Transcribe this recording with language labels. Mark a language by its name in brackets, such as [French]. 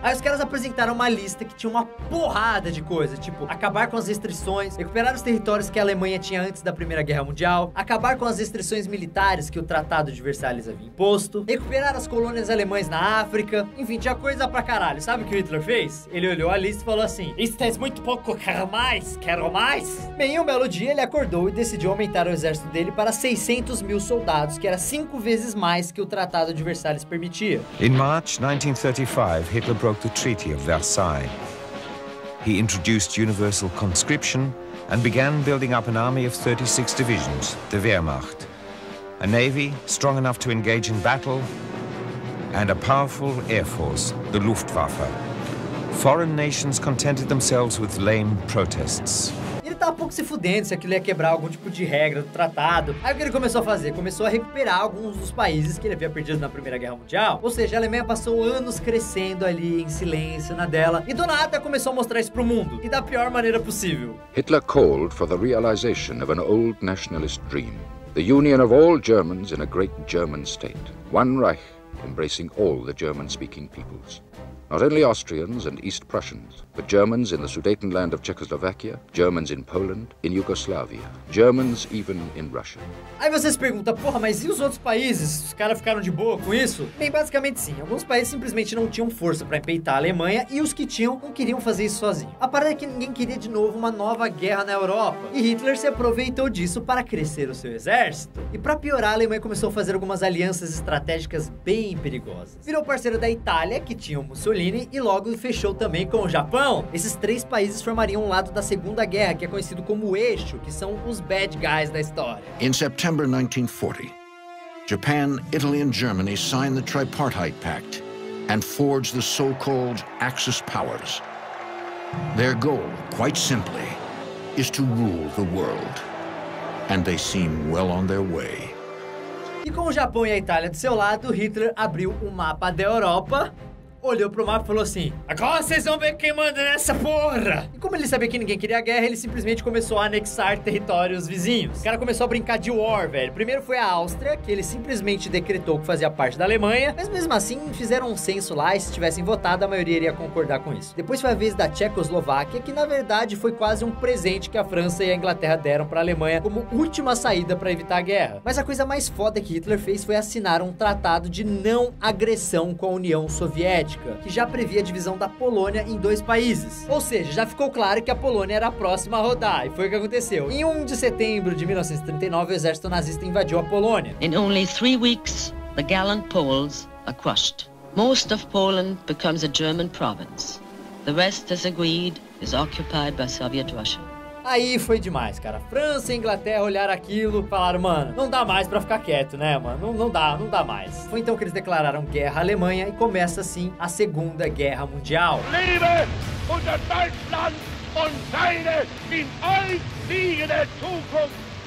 [Portuguese] Aí os caras apresentaram uma lista que tinha uma porrada de coisa, tipo, acabar com as restrições, recuperar os territórios que a Alemanha tinha antes da Primeira Guerra Mundial, acabar com as restrições militares que o Tratado de Versalhes havia imposto, recuperar as colônias alemãs na África, enfim, tinha coisa pra caralho. Sabe o que o Hitler fez? Ele olhou a lista e falou assim, isso é muito pouco, quero mais, quero mais. Bem, um belo dia ele acordou e decidiu aumentar o exército dele para 600 mil soldados, que era 5 vezes mais que o Tratado de Versalhes permitia. [English] In March 1935, Hitler broke the Treaty of Versailles. He introduced universal conscription and began building up an army of 36 divisions, the Wehrmacht. A navy strong enough to engage in battle and a powerful air force, the Luftwaffe. Foreign nations contented themselves with lame protests. [Portuguese] Ele tava um pouco se fudendo se aquilo ia quebrar algum tipo de regra do tratado. Aí o que ele começou a fazer? Começou a recuperar alguns dos países que ele havia perdido na Primeira Guerra Mundial. Ou seja, a Alemanha passou anos crescendo ali em silêncio na dela. E do nada começou a mostrar isso pro mundo. E da pior maneira possível. [English] Hitler called for the realization of an old nationalist dream. The union of all Germans in a great German state. One Reich embracing all the German-speaking peoples. Not only Austrians and East Prussians, but Germans in the Sudetenland of Czechoslovakia, Germans in Poland, in Yugoslavia, Germans even in Russia. [Portuguese] Aí você se pergunta, porra, mas e os outros países? Os caras ficaram de boa com isso? Bem, basicamente sim. Alguns países simplesmente não tinham força pra empeitar a Alemanha e os que tinham não queriam fazer isso sozinho. A parada é que ninguém queria de novo uma nova guerra na Europa. E Hitler se aproveitou disso para crescer o seu exército. E pra piorar, a Alemanha começou a fazer algumas alianças estratégicas bem perigosas. Virou parceiro da Itália, que tinha o Mussolini, Mussolini e logo fechou também com o Japão. Esses três países formariam um lado da Segunda Guerra, que é conhecido como o Eixo, que são os [English] bad guys [Portuguese] da história. [English] In September 1940, Japan, Italy and Germany signed the Tripartite Pact and forged the so-called Axis Powers. Their goal, quite simply, is to rule the world. And they seem well on their way. [Portuguese] E com o Japão e a Itália do seu lado, Hitler abriu o mapa da Europa, olhou pro mapa e falou assim: agora vocês vão ver quem manda nessa porra! E como ele sabia que ninguém queria guerra, ele simplesmente começou a anexar territórios vizinhos. O cara começou a brincar de war, velho. Primeiro foi a Áustria, que ele simplesmente decretou que fazia parte da Alemanha, mas mesmo assim fizeram um censo lá e se tivessem votado, a maioria iria concordar com isso. Depois foi a vez da Tchecoslováquia, que na verdade foi quase um presente que a França e a Inglaterra deram pra Alemanha como última saída pra evitar a guerra. Mas a coisa mais foda que Hitler fez foi assinar um tratado de não agressão com a União Soviética, que já previa a divisão da Polônia em dois países. Ou seja, já ficou claro que a Polônia era a próxima a rodar, e foi o que aconteceu. Em 1 de setembro de 1939, o exército nazista invadiu a Polônia. [English] In only 3 weeks, the gallant Poles are crushed. Most of Poland becomes a German province. The rest, as agreed, is occupied by Soviet Russia. [Portuguese] Aí foi demais, cara. França e Inglaterra olharam aquilo e falaram: mano, não dá mais pra ficar quieto, né, mano? Não dá mais. Foi então que eles declararam guerra à Alemanha e começa, assim, a Segunda Guerra Mundial. [German] Liebe unter Deutschland und seine in euch liegende Zukunft.